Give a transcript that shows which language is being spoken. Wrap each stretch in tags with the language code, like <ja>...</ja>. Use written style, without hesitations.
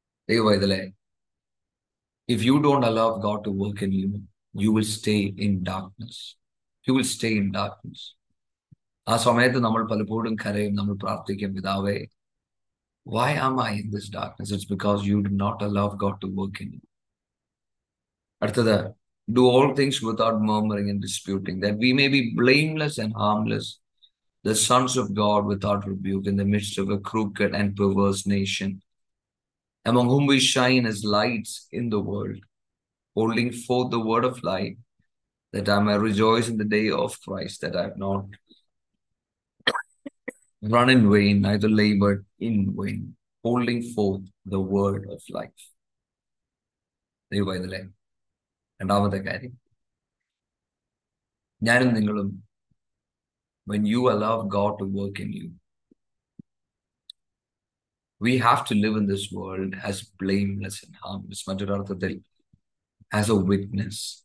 <en>ദൈവവൈദലെ, if you don't allow God to work in you, you will stay in darkness, you will stay in darkness.</en> <ml>ആ സമയത്ത് നമ്മൾ പലപ്പോഴും കരയും, നമ്മൾ പ്രാർത്ഥിക്കും, പിതാവേ,</ml> <en>Why am I in this darkness? It's because you do not allow God to work in you.</en> <ml>അടുത്തത്,</ml> <en>Do all things without murmuring and disputing, that we may be blameless and harmless, the sons of God without rebuke, in the midst of a crooked and perverse nation, among whom we shine as lights in the world, holding forth the word of life, that I may rejoice in the day of Christ, that I have not run in vain, neither labored in vain, holding forth the word of life. Devaidale.</en> <ml>രണ്ടാമത്തെ കാര്യം, ഞാനും നിങ്ങളും</ml> <en>when you allow God to work in you, we have to live in this world as blameless and harmless,</en> <ml>മറ്റൊരർത്ഥത്തിൽ</ml> <en>As a witness.</en>